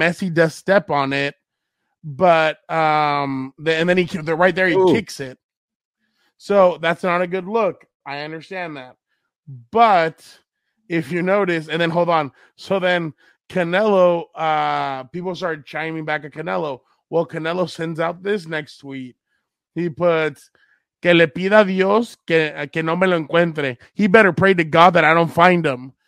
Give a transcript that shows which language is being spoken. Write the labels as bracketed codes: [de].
[en] Messi does step on it. But he kicks it. So that's not a good look. I understand that. But if you notice, and then hold on. So then Canelo, people started chiming back at Canelo. Well, Canelo sends out this next tweet. He puts, [es] que le pida Dios que no me lo encuentre. [en] He better pray to God that I don't find him.